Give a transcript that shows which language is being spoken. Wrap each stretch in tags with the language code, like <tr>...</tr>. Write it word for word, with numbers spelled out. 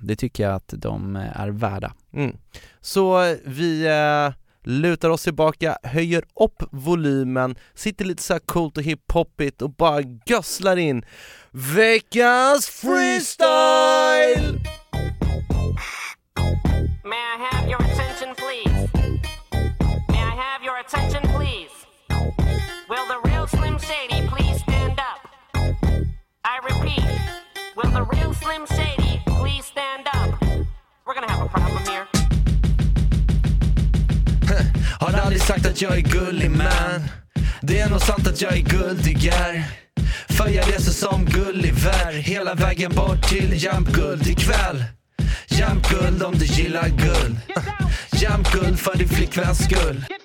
<sv>Det tycker jag att de är värda. Mm. Så vi... Eh, lutar oss tillbaka, höjer upp volymen, sitter lite så här coolt och hip-hoppigt och bara gösslar in veckans freestyle!</sv> <en>May I have your attention please? May I have your attention please? Will the real Slim Shady please stand up? I repeat, will the real Slim Shady please stand up? We're gonna have a problem here.</en> <sv>Har aldrig sagt att jag är gullig man. Det är nog sant att jag är guldigare. För jag reser som Gulliver hela vägen bort till Jämtguld ikväll. Jämtguld om du gillar guld. Jämtguld för din flickväns skull.</sv>